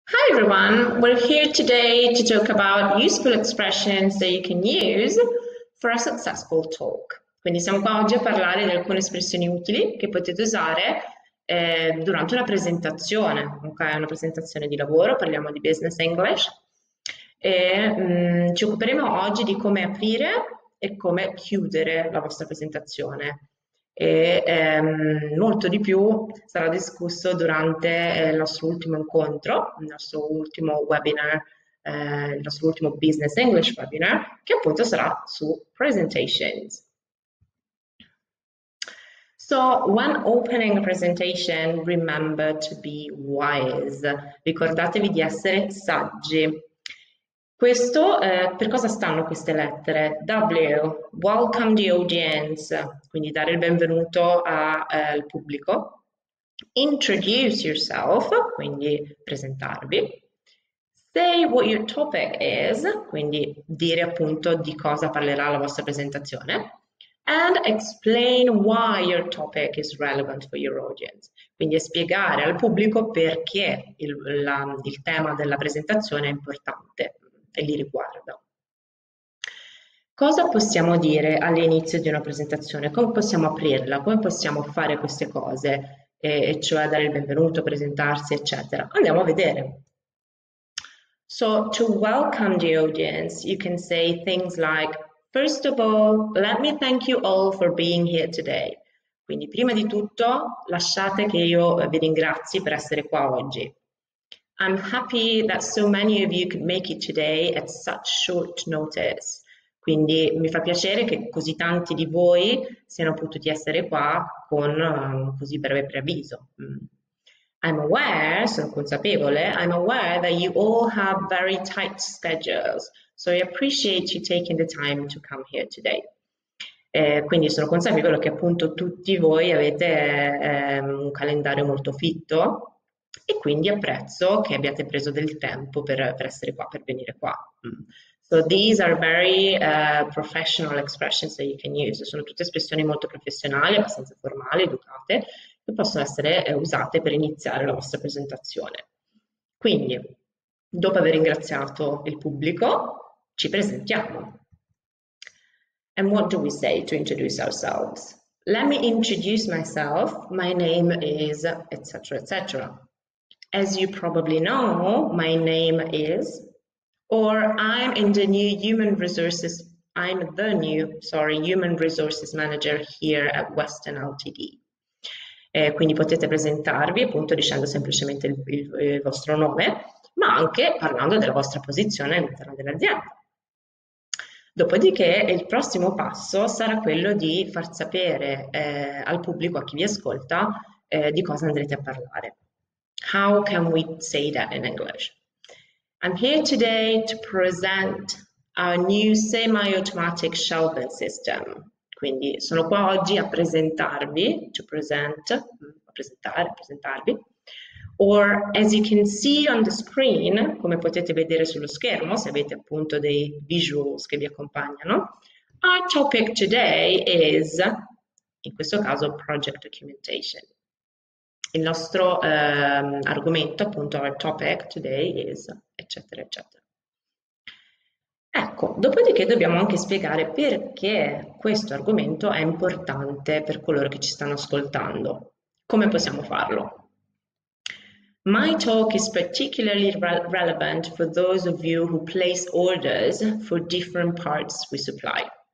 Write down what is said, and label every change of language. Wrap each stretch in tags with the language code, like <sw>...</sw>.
<en>everyone, we're here today to talk about useful expressions that you can use for a successful talk.</en> <it>Quindi siamo qua oggi a parlare di alcune espressioni utili che potete usare durante una presentazione, ok? Una presentazione di lavoro, parliamo di business English. E ci occuperemo oggi di come aprire e come chiudere la vostra presentazione. E molto di più sarà discusso durante il nostro ultimo incontro, il nostro ultimo webinar, il nostro ultimo Business English webinar, che appunto sarà su presentations.</it> <en>So, when opening a presentation, remember to be wise.</en> <it>Ricordatevi di essere saggi. Questo, per cosa stanno queste lettere? W,</it> <en>welcome the audience,</en> <it>quindi dare il benvenuto al pubblico.</it> <en>Introduce yourself,</en> <it>quindi presentarvi.</it> <en>Say what your topic is,</en> <it>quindi dire appunto di cosa parlerà la vostra presentazione.</it> <en>And explain why your topic is relevant for your audience.</en> <it>Quindi spiegare al pubblico perché il tema della presentazione è importante. E li riguarda. Cosa possiamo dire all'inizio di una presentazione? Come possiamo aprirla? Come possiamo fare queste cose? E cioè dare il benvenuto, presentarsi, eccetera. Andiamo a vedere.</it> <en>So, to welcome the audience, you can say things like, first of all, let me thank you all for being here today.</en> <it>Quindi, prima di tutto, lasciate che io vi ringrazi per essere qua oggi.</it> <en>I'm happy that so many of you could make it today at such short notice.</en> <it>Quindi mi fa piacere che così tanti di voi siano potuti essere qua con così breve preavviso.</it> <en>I'm aware that you all have very tight schedules, so I appreciate you taking the time to come here today.</en> <it>Quindi sono consapevole che appunto tutti voi avete un calendario molto fitto. E quindi apprezzo che abbiate preso del tempo per essere qua, per venire qua.</it> <en>So these are very professional expressions that you can use.</en> <it>Sono tutte espressioni molto professionali, abbastanza formali, educate, che possono essere usate per iniziare la vostra presentazione. Quindi, dopo aver ringraziato il pubblico, ci presentiamo.</it> <en>And what do we say to introduce ourselves? Let me introduce myself. My name is etc. etc. As you probably know, my name is, or I'm the new human resources manager here at Western LTD.</en> <it>Quindi potete presentarvi appunto dicendo semplicemente il vostro nome, ma anche parlando della vostra posizione all'interno dell'azienda. Dopodiché il prossimo passo sarà quello di far sapere al pubblico, a chi vi ascolta, di cosa andrete a parlare.</it> <en>How can we say that in English? I'm here today to present our new semi-automatic shelving system.</en> <it>Quindi sono qua oggi a presentarvi, presentarvi.</it> <en>Or as you can see on the screen,</en> <it>come potete vedere sullo schermo, se avete appunto dei visuals che vi accompagnano,</it> <en>our topic today is,</en> <it>in questo caso, project documentation. Il nostro argomento, appunto,</it> <en>our topic today is,</en> <it>eccetera, eccetera. Ecco, dopodiché dobbiamo anche spiegare perché questo argomento è importante per coloro che ci stanno ascoltando. Come possiamo farlo?</it> <en>My talk is particularly relevant for those of you who place orders for different parts we supply.</en>